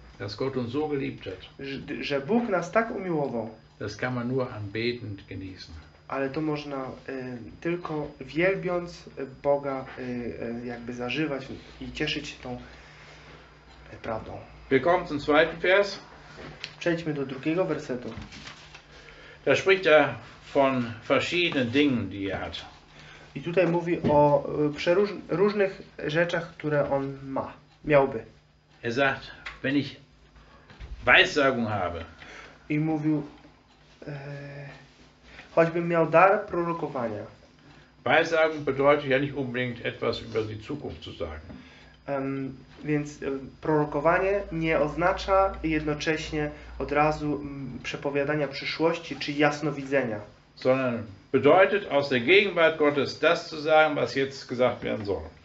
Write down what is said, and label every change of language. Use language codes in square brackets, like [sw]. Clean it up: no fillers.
[de] Dass Gott uns so geliebt hat. [pl] Że Bóg nas tak umiłował. [de] Das kann man nur anbetend genießen. [pl] Ale to można tylko wielbiąc Boga jakby zażywać i cieszyć się tą prawdą. [de] Willkommen zum zweiten Vers. [pl] Przejdźmy do drugiego wersetu. [de] Da spricht er von verschiedenen Dingen, die er hat. [pl] I tutaj mówi o różnych rzeczach, które on ma, miałby. [de] Er sagt, wenn ich Weissagung habe. [pl] I mówił, choćbym miał dar prorokowania. [de] Weissagung bedeutet ja nicht unbedingt etwas über die Zukunft zu sagen. [pl] Więc prorokowanie nie oznacza jednocześnie od razu przepowiadania przyszłości czy jasnowidzenia. [de] Sondern bedeutet aus der Gegenwart Gottes das zu sagen, was jetzt gesagt werden soll.